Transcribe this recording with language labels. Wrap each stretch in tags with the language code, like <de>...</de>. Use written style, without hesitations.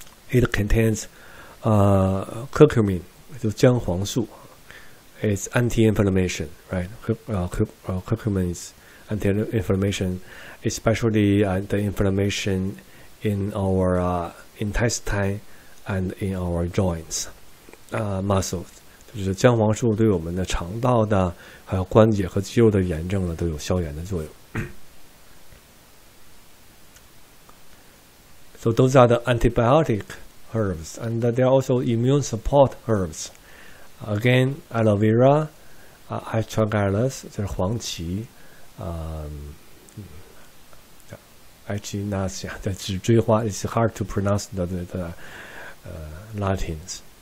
<en>It contains curcumin, which is jianghuang su. It's anti-inflammation, right? Curcumin is anti-inflammation, especially the inflammation in our intestine and in our joints, muscles.</en> <zh>就是姜黄素对我们的肠道的还有关节和肌肉的炎症呢都有消炎的作用。</zh> <en>So those are the antibiotic herbs, and there are also immune support herbs. Again, aloe vera, astragalus,</en> <zh>就是黄芪，</zh> <en>echinacea,</en> <zh>叫紫锥花，</zh> <en>it's hard to pronounce the Latins.</en>